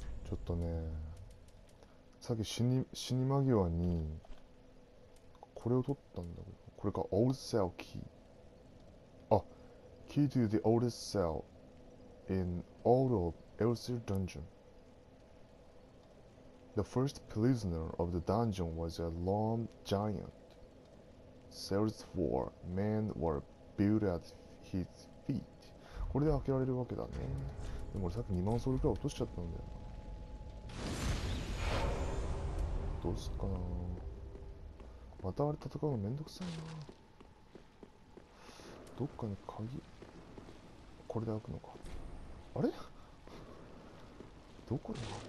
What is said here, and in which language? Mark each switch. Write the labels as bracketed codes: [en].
[ja] ちょっとね、さっき死に間際にこれを撮ったんだけど、これか、オールセルキー。 [en] Key to the oldest cell in all of Elsir Dungeon. The first prisoner of the dungeon was a long giant. Cells for men were built at his feet. [ja] これで開けられるわけだね。でも俺さっき2万ソウルくらい落としちゃったんだよな。どうすっかな。またあれ戦うのめんどくさいな。どっかに鍵。これで開くのか。あれ？どこだ？